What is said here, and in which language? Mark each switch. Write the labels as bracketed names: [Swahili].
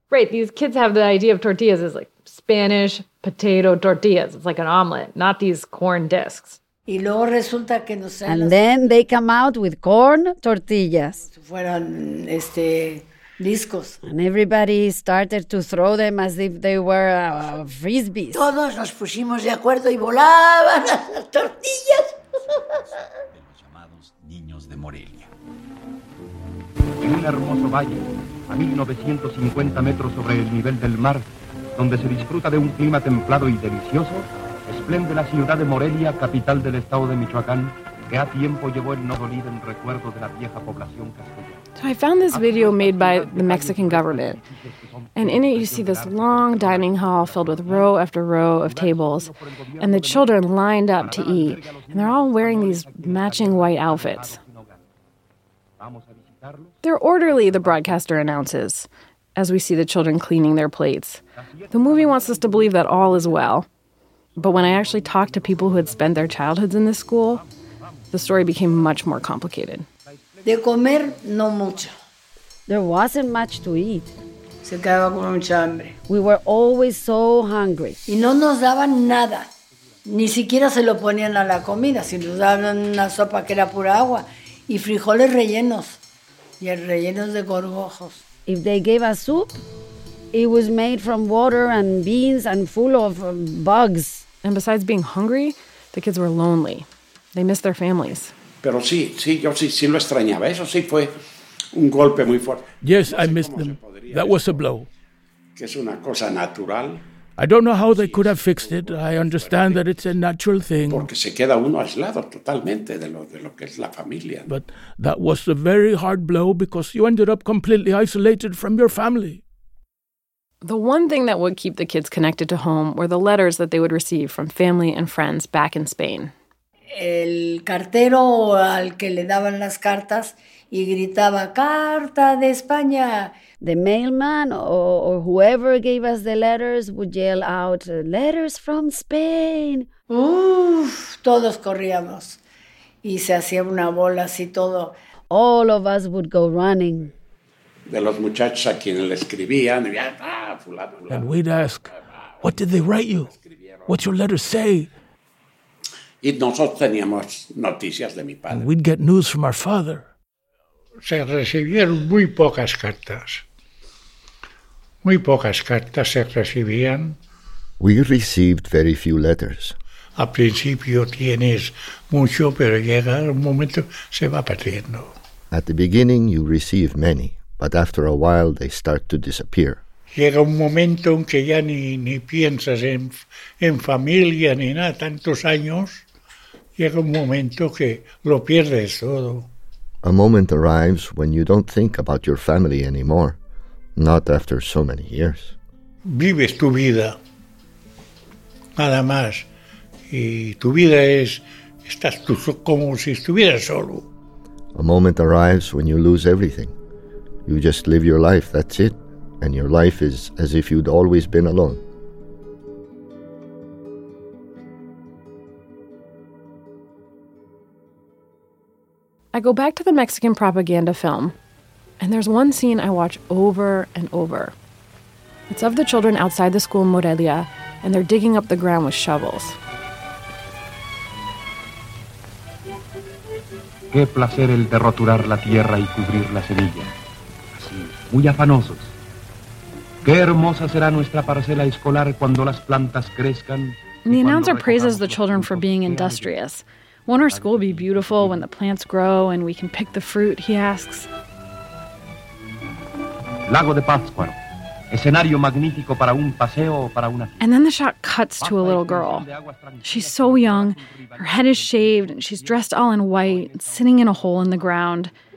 [English] Right, these kids have the idea of tortillas as like Spanish potato tortillas. It's like an omelet, not these corn discs. [Spanish] Y luego resulta que nos salen. [English] And then they come out with corn tortillas. [Spanish] Como si fueran, este, discos. [English] And everybody started to throw them as if they were frisbees. [Spanish] Todos nos pusimos de acuerdo y volaban las tortillas. Los llamados niños de Morelia. En un hermoso valle. a 1950 metros sobre el nivel del mar, donde se disfruta de un clima templado y delicioso, esplende la ciudad de Morelia, capital del estado de Michoacán, que a tiempo llevó el nuevo líder en recuerdo de la vieja población castellana. [English] So I found this video made by the Mexican government, and in it you see this long dining hall filled with row after row of tables, and the children lined up to eat, and they're all wearing these matching white outfits. They're orderly, the broadcaster announces, as we see the children cleaning their plates. The movie wants us to believe that all is well, but when I actually talked to people who had spent their childhoods in this school, the story became much more complicated. [Spanish] De comer, no mucho. [English] There wasn't much to eat. [Spanish] Se quedaba con mucha hambre. [English] We were always so hungry. [Spanish] Y no nos daban nada. Ni siquiera se lo ponían a la comida. Si nos daban una sopa que era pura agua. Y frijoles rellenos. Y rellenos de gorgojos. [English] If they gave us soup, it was made from water and beans and full of bugs. And besides being hungry, the kids were lonely. They missed their families. [Spanish] Pero sí, sí, yo sí, sí lo extrañaba. Eso sí fue un golpe muy fuerte. [English] Yes, I missed them. That was a blow. [Spanish] Que es una cosa natural. [English] I don't know how they could have fixed it. I understand that it's a natural thing. [Spanish] Porque se queda uno aislado totalmente de lo que es la familia. [English] But that was a very hard blow because you ended up completely isolated from your family. The one thing that would keep the kids connected to home were the letters that they would receive from family and friends back in Spain. [Spanish] El cartero al que le daban las cartas y gritaba, ¡Carta de España! [English] The mailman or whoever gave us the letters would yell out, ¡Letters from Spain! [Spanish] ¡Uf! Todos corríamos. Y se hacía una bola así todo. [English] All of us would go running. [Spanish] De los muchachos a quienes le escribían, ¡Ah, fulano, fulano! [English] And we'd ask, ¿What did they write you? What's your letter say? [Spanish] Y nosotros teníamos noticias de mi padre. [English] And we'd get news from our father. [Spanish] Se recibieron muy pocas cartas. Muy pocas cartas se recibían. [English] We received very few letters. [Spanish] Al principio tienes mucho, pero llega un momento, se va perdiendo. [English] At the beginning you receive many, but after a while they start to disappear. [Spanish] Llega un momento en que ya ni piensas en familia ni nada, tantos años. Llega un momento que lo pierdes todo. [English] A moment arrives when you don't think about your family anymore, not after so many years. [Spanish] Vives tu vida, nada más. Y tu vida es, estás tú como si estuvieras solo. [English] A moment arrives when you lose everything. You just live your life, that's it. And your life is as if you'd always been alone. I go back to the Mexican propaganda film, and there's one scene I watch over and over. It's of the children outside the school in Morelia, and they're digging up the ground with shovels. [Spanish] Qué placer el de roturar la tierra y cubrir la semilla. Así, muy afanosos. Qué hermosa será nuestra parcela escolar cuando las plantas crezcan. [English] The announcer praises the children for being industrious. Won't our school be beautiful when the plants grow and we can pick the fruit, he asks. [Spanish] Lago de Pátzcuaro, escenario magnífico para un paseo o para una... [English] And then the shot cuts to a little girl. She's so young, her head is shaved, and she's dressed all in white, sitting in a hole in the ground.